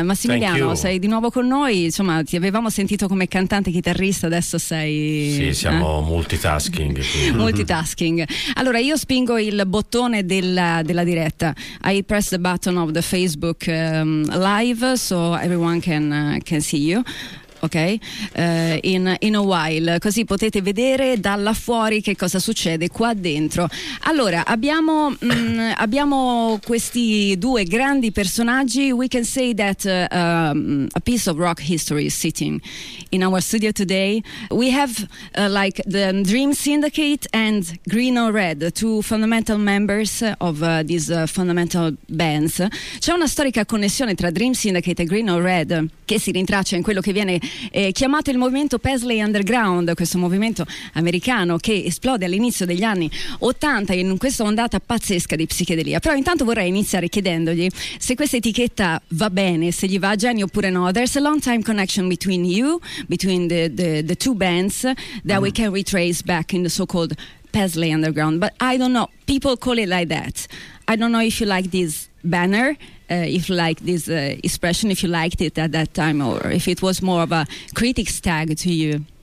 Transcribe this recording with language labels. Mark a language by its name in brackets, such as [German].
[Italian] Massimiliano, sei di nuovo con noi. Insomma, ti avevamo sentito come cantante, chitarrista. Adesso sei. Sì, siamo multitasking. Multitasking. Allora, io spingo il bottone della diretta. [English] I press the button of the Facebook live, so everyone can see you. Ok, in a while, [Italian] così potete vedere dalla fuori che cosa succede qua dentro. Allora, abbiamo questi due grandi personaggi. [English] We can say that a piece of rock history is sitting in our studio today. We have like the Dream Syndicate and Green or Red, two fundamental members of these fundamental bands. [Italian] C'è una storica connessione tra Dream Syndicate e Green or Red che si rintraccia in quello che viene chiamato il movimento Paisley Underground, questo movimento americano che esplode all'inizio degli anni 80 in questa ondata pazzesca di psichedelia. Però intanto vorrei iniziare chiedendogli se questa etichetta va bene, se gli va a genio oppure no. [English] There's a long time connection between you, between the two bands that we can retrace back in the so-called Paisley Underground, but I don't know, people call it like that. I don't know if you like this banner, if you like this expression, if you liked it at that time, or if it was more of a critic's tag to you.